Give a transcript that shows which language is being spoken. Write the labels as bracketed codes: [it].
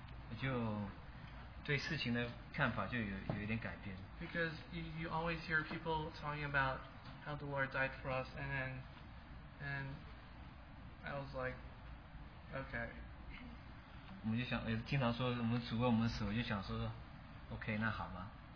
[zh] 我就对事情的看法就有一点改变。 [en] Because you always hear people talking about how the Lord died for us, and I was like, okay. [zh] 我们就想，经常说我们主为我们死，我就想说，OK，那好吧。